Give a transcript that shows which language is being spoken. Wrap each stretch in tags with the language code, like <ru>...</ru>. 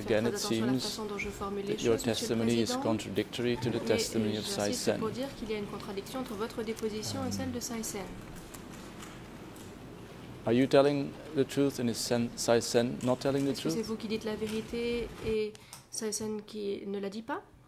<en>Again, it seems that your testimony is contradictory to the testimony of Saï Sen.</en> <fr>Pour dire qu'il y a une contradiction entre votre déposition et celle de Saï Sen.</fr> <en>Are you telling the truth and is Saï Sen not telling the truth?</en> <fr>C'est vous qui dites la vérité et Saï Sen qui ne la dit pas?</fr>